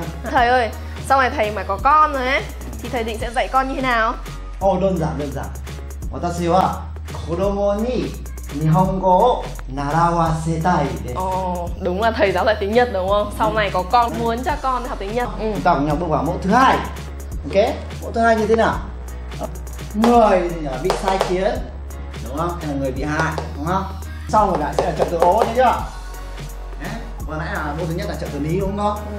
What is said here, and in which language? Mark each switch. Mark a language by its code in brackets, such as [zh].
[vi] Thầy ơi, sau này thầy mà có con rồi ấy, thì thầy định sẽ dạy con như thế nào? Đơn giản. [ja] 私は子供に日本語を習わせたいです。 [vi] Đúng là thầy giáo dạy tiếng Nhật đúng không? Sau này có con muốn cho con học tiếng Nhật. Chúng ta cùng nhau bước vào mẫu thứ hai. Ok, mẫu thứ hai như thế nào? Người bị sai khiến đúng không? Hay là người bị hại đúng không? Sau rồi lại sẽ là trợ từ ố nhớ chưa? Vừa nãy là mẫu thứ nhất là trợ từ ní đúng không?